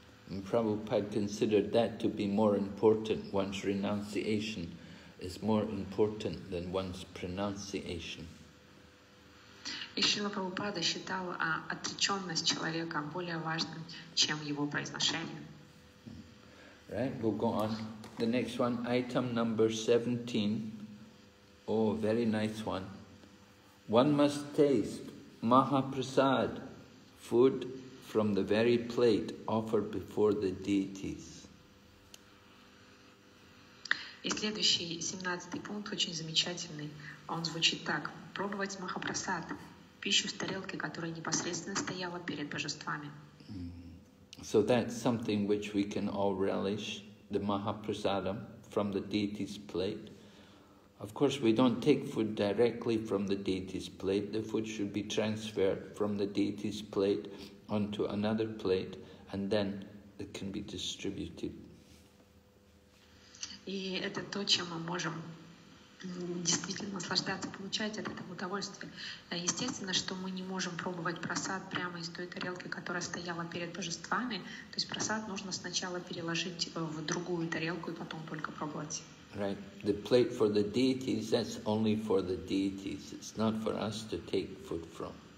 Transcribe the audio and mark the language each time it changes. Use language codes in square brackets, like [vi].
[en] And Prabhupada considered that to be more important. One's renunciation is more important than one's pronunciation. [ru] И Шрила Прабхупада считал отреченность человека более важным, чем его произношение. [en] Right, we'll go on. The next one, item number 17. Oh, very nice one. One must taste Mahaprasad, food from the very plate offered before the deities. [ru] И следующий, 17-й пункт, очень замечательный. Он звучит так. Пробовать Махапрасад, пищу с тарелки, которая непосредственно стояла перед божествами. [en] So that's something which we can all relish, the Mahaprasadam from the deity's plate. Of course, we don't take food directly from the deity's plate. The food should be transferred from the deity's plate onto another plate, and then it can be distributed. [ru] И это то, чем мы можем действительно наслаждаться, получать от этого удовольствие. Естественно, что мы не можем пробовать просад прямо из той тарелки, которая стояла перед божествами. То есть просад нужно сначала переложить в другую тарелку и потом только пробовать. [en] Right. The plate for the deities, that's only for the deities. It's not for us to take food from.